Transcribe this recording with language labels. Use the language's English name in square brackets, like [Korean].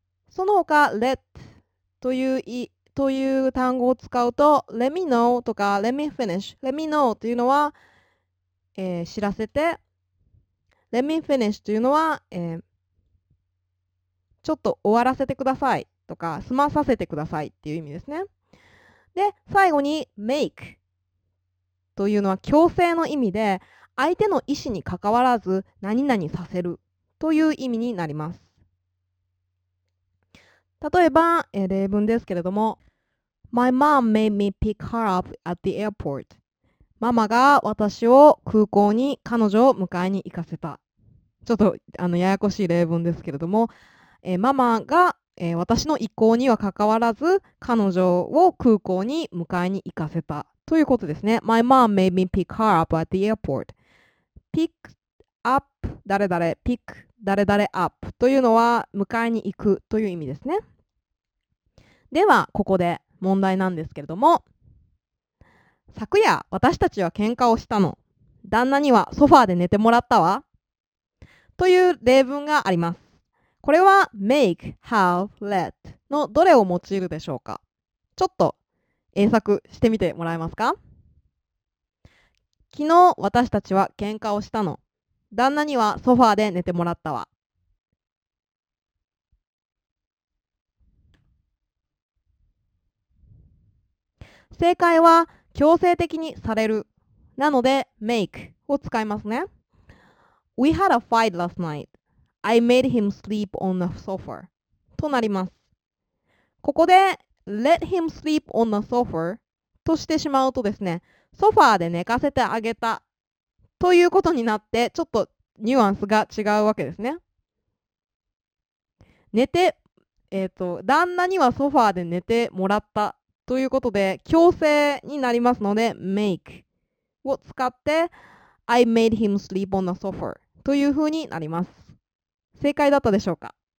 [Japanese] その他 let という単語を使うと、 [English] let me know [Japanese] とか [English] let me finish、 let me know [Japanese] というのは、知らせて、 [English] Let me finish [Japanese] というのは、ちょっと終わらせてくださいとか、済まさせてくださいっていう意味ですね。で、最後に make というのは強制の意味で、相手の意思に関わらず何々させるという意味になります。例えば、例文ですけれども、 [English] My mom made me pick her up at the airport. [Japanese] ママが私を空港に彼女を迎えに行かせた。ちょっとややこしい例文ですけれども、ママが、私の意向には関わらず彼女を空港に迎えに行かせたということですね。 [English] My mom made me pick her up at the airport. [Japanese] Pick up 誰々、 Pick 誰々 up というのは迎えに行くという意味ですね。ではここで問題なんですけれども、昨夜私たちは喧嘩をしたの、旦那にはソファーで寝てもらったわ、という例文があります。これは make, have, let のどれを用いるでしょうか。ちょっと英作してみてもらえますか。昨日私たちは喧嘩をしたの、旦那にはソファーで寝てもらったわ。正解は強制的にされる、なので make を使いますね。 [English] We had a fight last night. I made him sleep on the sofa となります。 [Japanese] ここで [English] let him sleep on the sofa [Japanese] としてしまうとですね、ソファーで寝かせてあげたということになって、ちょっとニュアンスが違うわけですね。寝て、旦那にはソファーで寝てもらったということで、強制になりますので、make を使って、 [English] I made him sleep on the sofa [Japanese] というふうになります。正解だったでしょうか。